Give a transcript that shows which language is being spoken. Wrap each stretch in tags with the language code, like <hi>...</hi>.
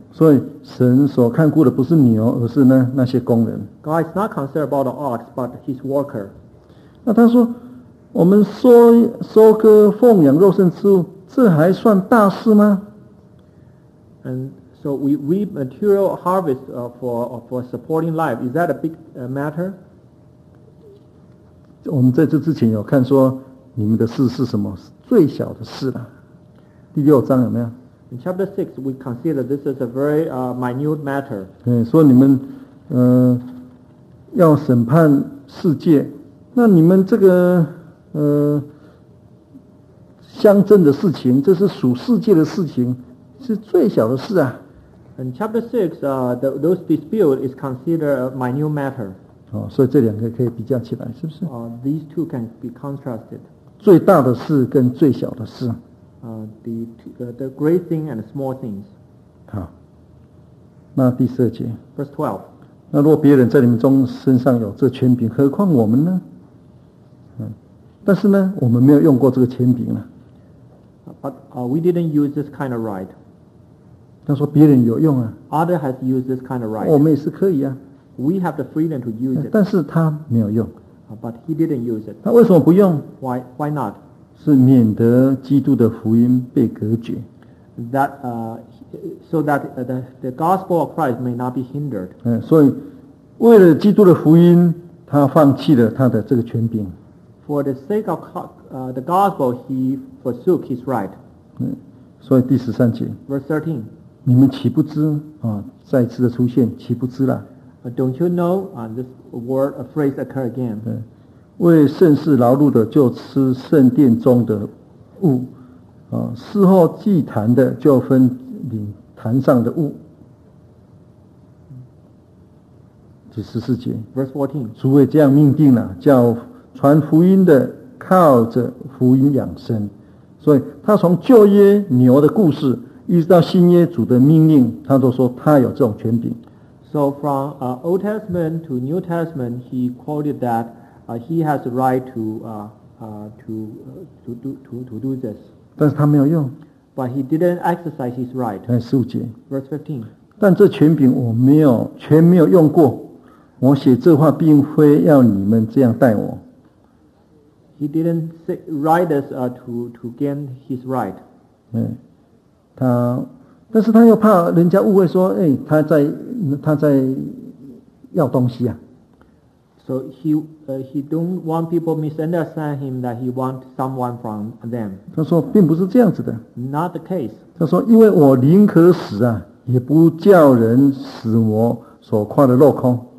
<zh>所以神所看顾的不是牛，而是呢那些工人。</zh> <en>God is not concerned about the ox, but his worker.</en> <zh>那他说，我们收割奉养肉身之物，这还算大事吗？</zh> <en>And so we reap material harvest for supporting life. Is that a big matter?</en> <zh>我们在这之前有看说，你们的事是什么？最小的事了。第六章有没有？</zh> <en>In chapter 6, we consider this as a very minute matter.</en> <zh>嗯，说你们，要审判世界，那你们这个，乡镇的事情，这是属世界的事情，是最小的事啊。</zh> <en>In chapter 6, those disputes is considered a minute matter.</en> <zh>哦，所以这两个可以比较起来，是不是？</zh> <en>These two can be contrasted.</en> <zh>最大的事跟最小的事。</zh> <en>The great thing and the small things.</en> <zh>好，那第十二节。</zh> <en>Verse 12.</en> <zh>那若别人在你们中身上有这权柄，何况我们呢？但是呢，我们没有用过这个权柄了。</zh> <en>But we didn't use this kind of right.</en> <zh>他说别人有用啊。</zh> <en>Other has used this kind of right.</en> <zh>我们也是可以啊。</zh> <en>We have the freedom to use it.</en> <zh>但是他没有用。</zh> <en>But he didn't use it.</en> <zh>他为什么不用？</zh> <en>Why not?</en> <zh>是免得基督的福音被隔绝。</zh> <en>That, so that the gospel of Christ may not be hindered.</en> <zh>所以为了基督的福音，他放弃了他的这个权柄。</zh> <en>For the sake of the gospel, he forsook his right.</en> <zh>所以第十三节。</zh> <en>Verse 13.</en> <zh>你们岂不知啊？再次的出现，岂不知了</zh> <en>？Don't you know? This word, a phrase, occur again.</en> <zh>为圣事劳碌的，就吃圣殿中的物，啊，事后祭坛的，就分领坛上的物。第十四节</zh> <en>，Verse 14，</en> <zh>主也这样命定了，叫传福音的靠着福音养生。所以他从旧约牛的故事，一直到新约主的命令，他都说他有这种权柄。</zh> <en>So from Old Testament to New Testament, he quoted that he has the right to do this.</en> <zh>但是他没有用。</zh> <en>But he didn't exercise his right.</en> <zh>第十五节</zh> <en>，Verse 15，</en> <zh>但这权柄我没有全没有用过。我写这话并非要你们这样待我。</zh> <en>He didn't write this to gain his right.</en> <zh>他，但是他又怕人家误会说，哎，他在要东西啊。</zh> <en>So he don't want people misunderstand him that he want someone from them.</en> <zh>他说并不是这样子的。</zh> <en>Not the case.</en> <zh>他说因为我宁可死啊，也不叫人使我所夸的落空。</zh>